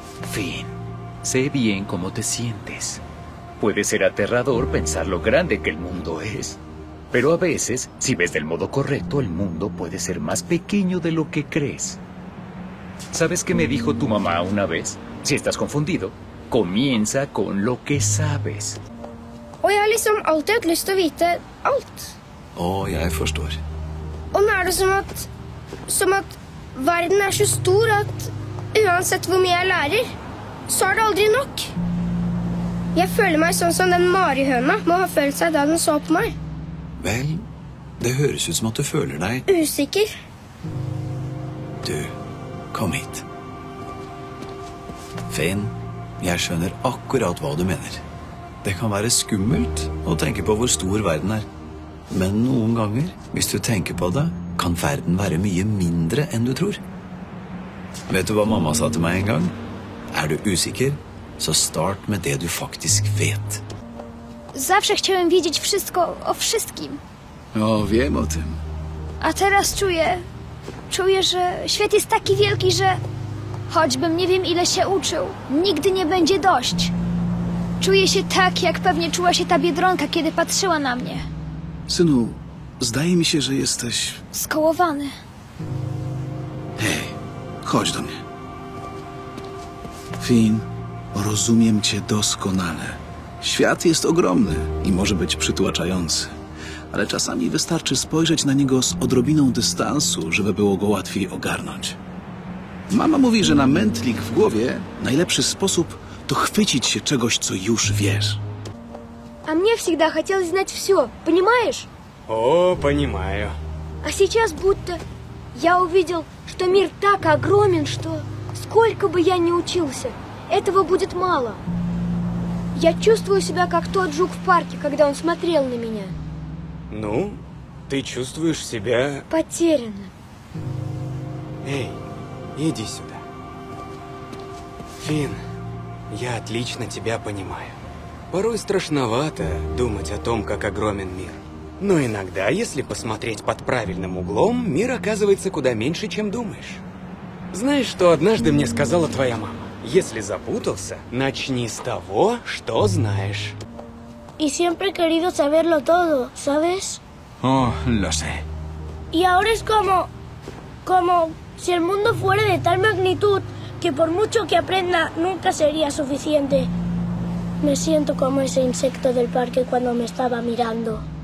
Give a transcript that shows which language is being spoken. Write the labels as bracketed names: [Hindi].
[Spanish] Finn, sé bien cómo te sientes. Puede ser aterrador pensar lo grande que el mundo es. Pero a veces, si ves del modo correcto, el mundo puede ser más pequeño de lo que crees. ¿Sabes qué me dijo tu mamá una vez? Si estás confundido, comienza con lo que sabes. [Norwegian] Og jeg har liksom alltid hatt lyst til å vite alt. Jeg forstår. Og nå det som at verden så stor at uansett hvor mye jeg lærer, så det aldri nok. Jeg føler meg sånn som den marihøna må ha følt seg da den så på meg. Vel, det høres ut som at du føler deg... usikker. Du, kom hit. Finn, jeg skjønner akkurat hva du mener. Det kan være skummelt å tenke på hvor stor verden er. Men noen ganger, hvis du tenker på det, kan verden være mye mindre enn du tror. Vet du hva mamma sa til meg en gang? Er du usikker, så start med det du faktisk vet. [Polish] Zawsze chciałem wiedzieć wszystko o wszystkim. No, wiem o tym. A teraz czuję, że świat jest taki wielki, że choćbym nie wiem ile się uczył, nigdy nie będzie dość. Czuję się tak, jak pewnie czuła się ta Biedronka, kiedy patrzyła na mnie. Synu, zdaje mi się, że jesteś... skołowany. Hej, chodź do mnie. Finn, rozumiem cię doskonale. Świat jest ogromny i może być przytłaczający, ale czasami wystarczy spojrzeć na niego z odrobiną dystansu, żeby było go łatwiej ogarnąć. Mama mówi, że na mętlik w głowie najlepszy sposób to chwycić się czegoś, co już wiesz. [Russian] A mnie всегда хотелось знать все, понимаешь? O, понимаю. A сейчас будто я увидел, что мир так огромен, что сколько бы я ни учился, этого будет мало. Я чувствую себя как тот жук в парке, когда он смотрел на меня. Ну, ты чувствуешь себя... потерянно. Эй, иди сюда. Финн, я отлично тебя понимаю. Порой страшновато думать о том, как огромен мир. Но иногда, если посмотреть под правильным углом, мир оказывается куда меньше, чем думаешь. Знаешь, что однажды мне сказала твоя мама? Если запутался, начни с того, что знаешь. [Spanish] И siempre he querido saberlo todo, ¿sabes? Lo sé. Y ahora es como si el mundo fuera de tal magnitud que por mucho que aprenda nunca sería suficiente. Me siento como ese insecto del parque cuando me estaba mirando.